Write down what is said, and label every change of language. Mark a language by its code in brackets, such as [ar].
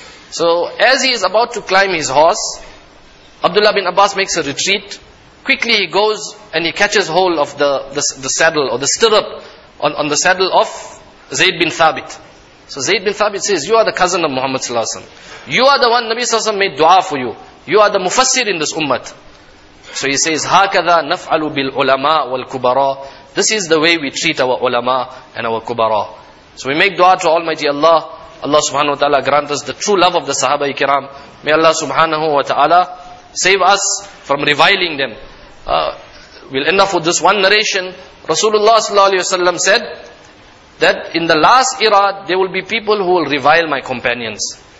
[en] So as he is about to climb his horse, Abdullah bin Abbas makes a retreat. Quickly he goes and he catches hold of the saddle or the stirrup on the saddle of Zayd bin Thabit. So Zayd bin Thabit says, you are the cousin of Muhammad sallallahu alaihi wasallam. You are the one Nabi sallallahu alaihi wasallam made dua for you. You are the mufassir in this ummah. So he says, [ar] هَكَذَا نَفْعَلُ بِالْعُلَمَاء وَالْكُبَرَى. [en] This is the way we treat our ulama and our kubara. So we make dua to Almighty Allah. Allah subhanahu wa ta'ala grant us the true love of the sahaba ikram. May Allah subhanahu wa ta'ala save us from reviling them. We'll end off with this one narration. Rasulullah sallallahu alayhi wa sallam said that in the last era, there will be people who will revile my companions.